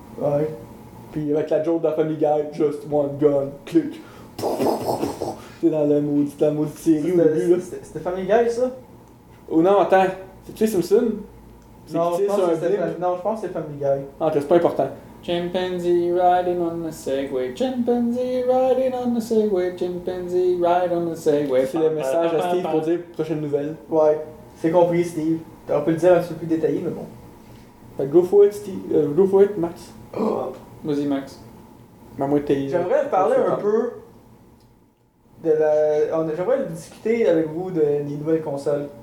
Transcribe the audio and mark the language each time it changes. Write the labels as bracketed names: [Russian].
[French] Ouais. Puis avec la joke de la Family Guy, [English] just one gun, click. [French] C'est dans la maudite série au début. C'était Family Guy, ça? Oh non, attends. C'est Chase Simpson? Non, je pense que c'est Family Guy. Ah, okay, c'est pas important. [English] Chimpanzee riding on the Segway. Chimpanzee riding on the Segway. Chimpanzee riding on the Segway. [French] C'est le message à Steve pour dire prochaine nouvelle. Ouais, c'est compris, Steve. On peut le dire un petit peu plus détaillé, mais bon. [English] Fait, go for it, Steve. Go for it, Max. [French] Vas-y, Max. J'aimerais parler un peu de la... J'aimerais discuter avec vous des nouvelles consoles.